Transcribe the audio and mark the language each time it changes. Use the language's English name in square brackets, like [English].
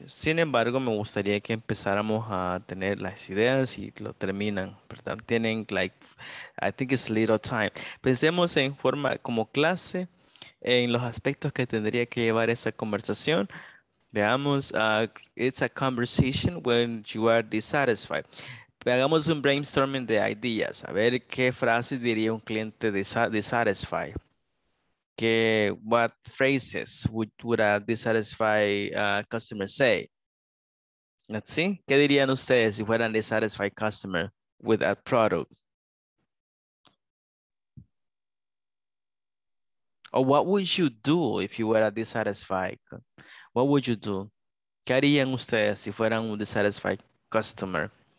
[Spanish] Sin embargo, me gustaría que empezáramos a tener las ideas y lo terminan, ¿verdad? Tienen, [English] like, I think it's little time. [Spanish] Pensemos en forma como clase, en los aspectos que tendría que llevar esa conversación. Veamos, [English] it's a conversation when you are dissatisfied. [Spanish] Hagamos un brainstorming de ideas. A ver qué frase diría un cliente dissatisfied. Que, [English] what phrases would a dissatisfied customer say? Let's see. [Spanish] ¿Qué dirían ustedes si fueran dissatisfied customer with a product? [English] Or what would you do if you were a dissatisfied? What would you do? [Spanish] ¿Qué harían ustedes si fueran un dissatisfied customer?